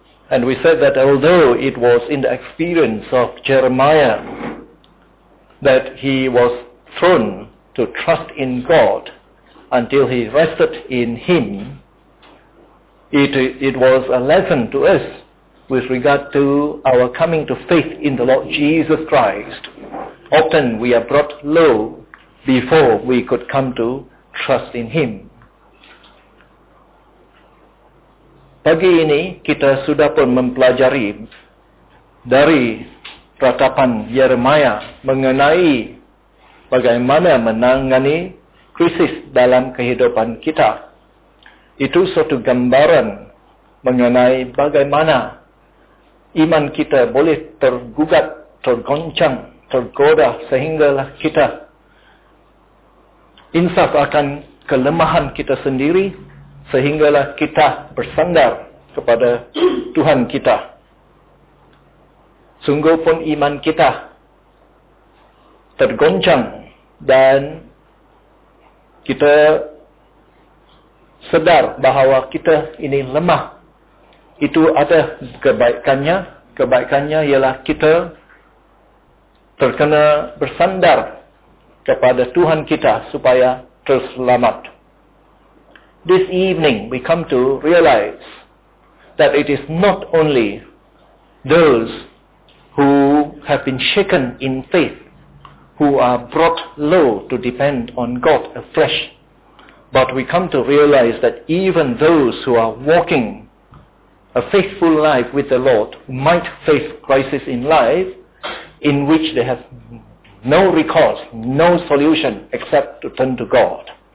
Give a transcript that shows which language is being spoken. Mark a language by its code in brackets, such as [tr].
[en] And we said that although it was in the experience of Jeremiah that he was thrown to trust in God until he rested in Him, it was a lesson to us with regard to our coming to faith in the Lord Jesus Christ. Often we are brought low before we could come to trust in Him. [ms] Pagi ini kita sudah pun mempelajari dari ratapan Yeremia mengenai bagaimana menangani krisis dalam kehidupan kita. Itu suatu gambaran mengenai bagaimana iman kita boleh tergugat, tergoncang, tergoda sehinggalah kita insaf akan kelemahan kita sendiri, sehinggalah kita bersandar kepada Tuhan kita. Sungguh pun iman kita tergoncang dan kita sedar bahawa kita ini lemah. Itu ada kebaikannya. Kebaikannya ialah kita terkena bersandar kepada Tuhan kita supaya terselamat. [en] This evening we come to realize that it is not only those who have been shaken in faith who are brought low to depend on God afresh. But we come to realize that even those who are walking a faithful life with the Lord might face crisis in life in which they have no recourse, no solution except to turn to God.